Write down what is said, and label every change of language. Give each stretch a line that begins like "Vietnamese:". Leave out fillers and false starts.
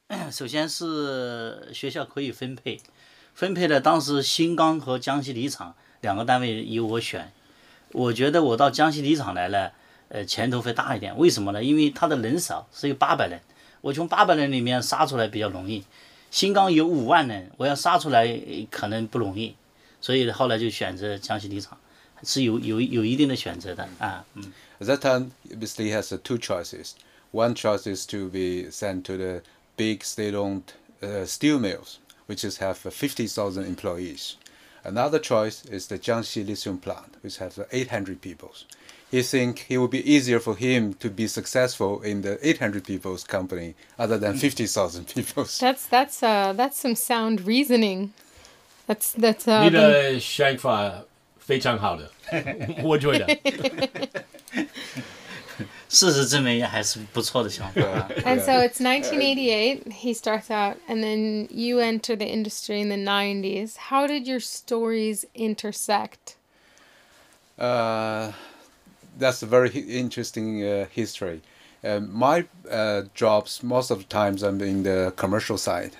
Chinese: 首先是学校可以分配，分配的当时新钢和江西锂厂两个单位由我选，我觉得我到江西锂厂来了，前途会大一点。为什么呢？因为它的人少，是有800人，我从800人里面杀出来比较容易。新钢有50,000人，我要杀出来可能不容易，所以后来就选择江西锂厂，是有一定的选择的啊。
English: At that time, Mr. Li has two choices. One choice is to be sent to the big state-owned steel mills, which is have 50,000 employees. Another choice is the Jiangxi lithium plant, which has 800 people. He think it would be easier for him to be successful in the 800 people's company other than 50,000 people. That's some sound reasoning. That's
Chinese: 你的想法非常好的，我觉得。事实证明还是不错的想法。
English: And so it's 1988, he starts out, and then you enter the industry in the 90s. How did your stories intersect? That's a very interesting history. My jobs, most of the times I'm in the commercial side.